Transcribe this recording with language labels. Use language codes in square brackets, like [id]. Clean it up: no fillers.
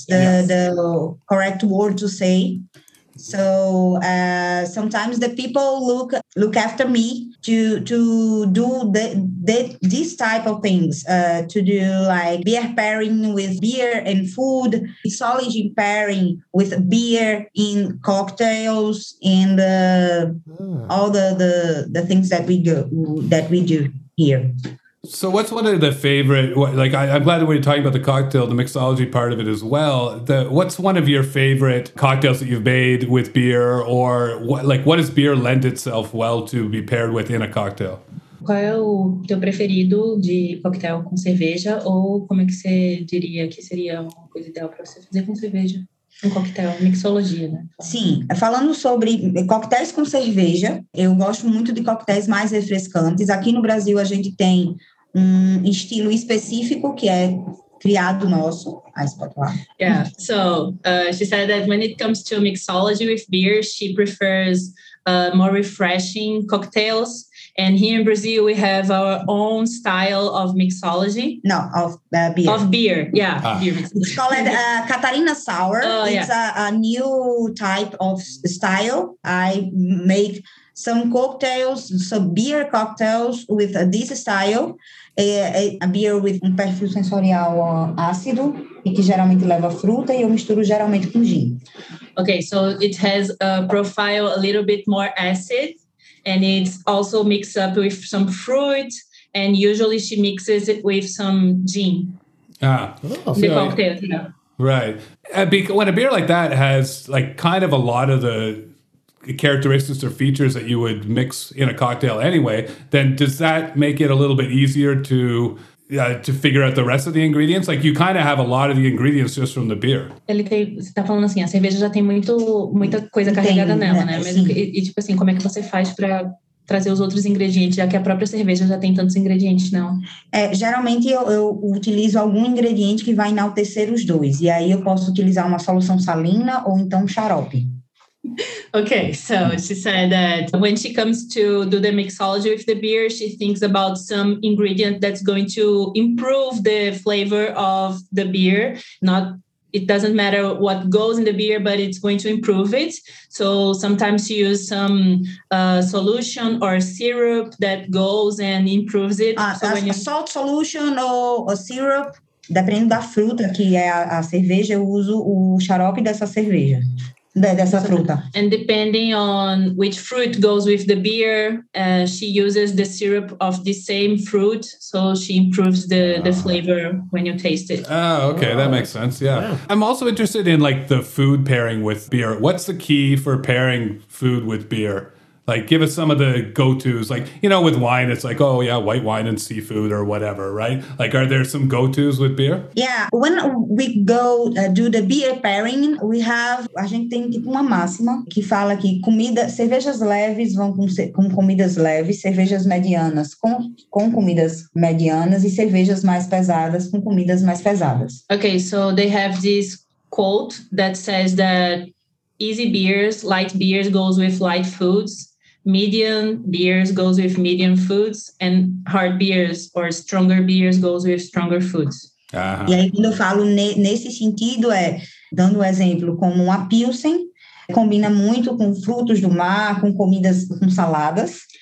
[en] The correct word to say. So sometimes the people look after me to do this type of things, to do like beer pairing with beer and food, mixology pairing with beer in cocktails, and all the things that we do here. So what's one of the favorite, I'm glad that we're talking about the cocktail, the mixology part of it as well. What's one of your favorite cocktails that you've made with beer, or what does beer lend itself well to be paired with in a cocktail? [pt] qual é o teu preferido de coquetel com cerveja? Ou como é que você diria que seria uma coisa ideal para você fazer com cerveja? Um coquetel, mixologia, né? Sim, falando sobre coquetéis com cerveja, eu gosto muito de coquetéis mais refrescantes. Aqui no Brasil a gente tem um estilo específico que é criado nosso. [en] Yeah, so she said that when it comes to mixology with beer, she prefers more refreshing cocktails. And here in Brazil, we have our own style of mixology. No, of beer. Of beer, yeah. It's called Catarina Sour. It's a new type of style. I make some cocktails, some beer cocktails with this style. A beer with [pt] um perfil sensorial ácido e que geralmente leva fruta e eu misturo geralmente com gin. [en] Okay, so it has a profile a little bit more acid and it's also mixed up with some fruit and usually she mixes it with some gin. Ah, the cocktail, yeah. Right. When a beer like that has like kind of a lot of the characteristics or features that you would mix in a cocktail anyway, then does that make it a little bit easier to figure out the rest of the ingredients? Like you kind of have a lot of the ingredients just from the beer. [pt] Ele tem, você tá falando assim, a cerveja já tem muita coisa carregada nela, né? Mas, e tipo assim, como é que você faz para trazer os outros ingredientes, já que a própria cerveja já tem tantos ingredientes, não? Geralmente eu utilizo algum ingrediente que vai enaltecer os dois. E aí eu posso utilizar uma solução salina ou então xarope. [en] Okay, so she said that when she comes to do the mixology with the beer, she thinks about some ingredient that's going to improve the flavor of the beer. Not, it doesn't matter what goes in the beer, but it's going to improve it. So sometimes she uses some solution or syrup that goes and improves it. Salt solution or syrup? [pt] Dependendo da fruta que é a cerveja, eu uso o xarope dessa cerveja. Dessa fruta. [en] And depending on which fruit goes with the beer, she uses the syrup of the same fruit, so she improves the flavor when you taste it. Oh, okay, that makes sense, yeah. I'm also interested in, like, the food pairing with beer. What's the key for pairing food with beer? Like, give us some of the go-tos. Like, you know, with wine, it's like, oh, yeah, white wine and seafood or whatever, right? Like, are there some go-tos with beer? Yeah, when we go do the beer pairing, we have, [pt] a gente tem tipo uma máxima que fala que comida, cervejas leves vão com comidas leves, cervejas medianas com comidas medianas e cervejas mais pesadas com comidas mais pesadas. [en] Okay, so they have this quote that says that easy beers, light beers goes with light foods. Medium beers goes with medium foods and hard beers or stronger beers goes with stronger foods. [pt] Uh-huh. E aí quando eu falo nesse sentido é, dando um exemplo, como uma Pilsen, combina muito com frutos do mar, com comidas, com saladas.